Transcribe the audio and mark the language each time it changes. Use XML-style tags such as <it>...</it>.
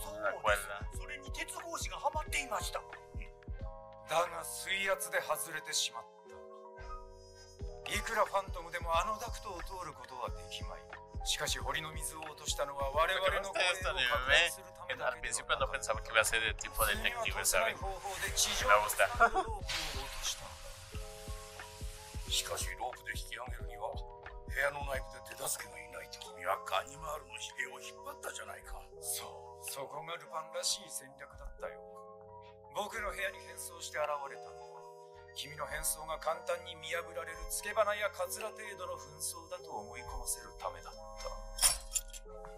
<ja>そうなんです。それに鉄格子がはまっていました。だが水圧で外れてしまった。いくらファントムでもあのダクトを通ることはできまい。しかし堀の水を落としたのは我々の声を拡大するためだけではなかった。</ja> <es>Al principio no pensaba que iba a ser el tipo de detective, ¿sabes? Me gusta.</es> <ja>しかしロープで引き上げるには部屋の内部で手助けがいないと。君はガニマールのヒレを引っ張ったじゃないか。そう、そこがルパンらしい戦略だったよ。僕の部屋に変装して現れたのは君の変装が簡単に見破られるつけ花やカツラ程度の紛争だと思い込ませるためだった。</ja>